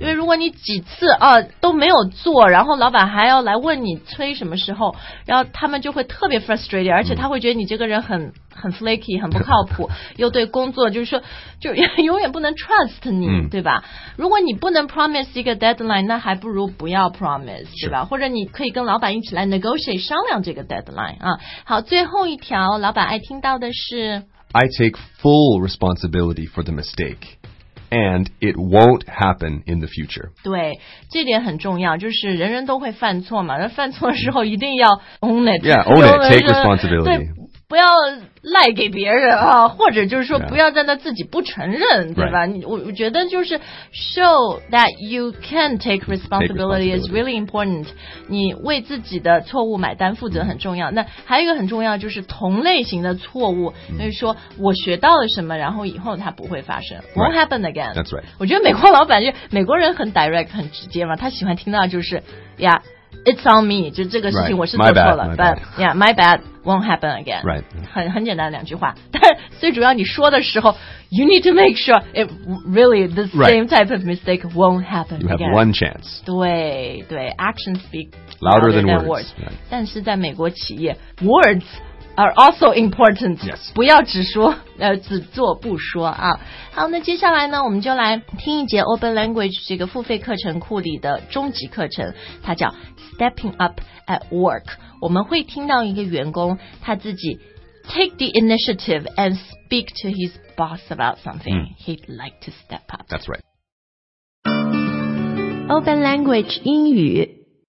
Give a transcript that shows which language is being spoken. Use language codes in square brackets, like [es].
[zh] 因为如果你几次、都没有做然后老板还要来问你催什么时候然后他们就会特别 frustrated 而且他会觉得你这个人很 flaky 很不靠谱又对工作就是说就永远不能 trust 你、嗯、对吧如果你不能 promise 一个 deadline 那还不如不要 promise 对吧或者你可以跟老板一起来 negotiate 商量这个 deadline、啊、好最后一条老板爱听到的是 [en] I take full responsibility for the mistake, and it won't happen in the future. [zh] 对，这点很重要，就是人人都会犯错嘛，那犯错的时候一定要 [en] own it. Yeah, own it, take responsibility. [zh] 对，不要赖给别人啊，或者就是说不要在那自己不承认，对吧？ [en] Right. [zh] 我觉得就是 [en] show that you can take responsibility, take responsibility is really important. [zh] 你为自己的错误买单负责很重要。那还有一个很重要就是同类型的错误，就是说我学到了什么，然后以后它不会发生 ， [en] won't happen again. That's right. [zh] 我觉得美国老板就美国人很 direct 很直接嘛，他喜欢听到就是 yeah. [en] It's on me, [zh] 就这个事情我是做错了 [en] right, bad, but yeah, my bad won't happen again. Right. [zh] 很简单的两句话。但最主要你说的时候 [en] you need to make sure it really, the same type of mistake won't happen you again. You have one chance. [zh] 对对 [en] actions speak louder than words. Words.、Right. [zh] 但是在美国企业 [en] words are also important. Yes. [zh] 不要只说只做不说啊。好那接下来呢我们就来听一节 Open Language 这个付费课程库里的终极课程它叫 [en] Stepping up at work. [zh] 我们会听到一个员工他自己 [en] take the initiative and speak to his boss about something、 mm. he'd like to step up. That's right. [zh] Open Language 英语